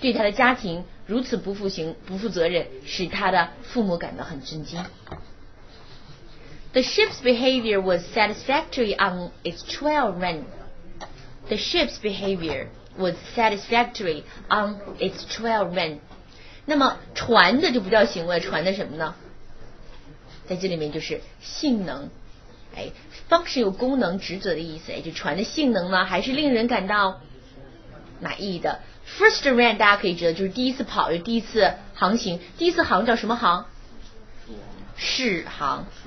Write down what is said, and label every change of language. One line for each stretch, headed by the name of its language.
Chinese: 对他的家庭如此不负责任，使他的父母感到很震惊。
English: The ship's behavior was satisfactory on its trial run. The ship's behavior was satisfactory on its trial run.
Chinese: 那么船的就不叫行为，船的什么呢？在这里面就是性能。哎 ，function 有功能、职责的意思，哎，就船的性能呢，还是令人感到满意的。 First run 大家可以知道就是第一次跑，就是、第一次航行，第一次航叫什么航？试航。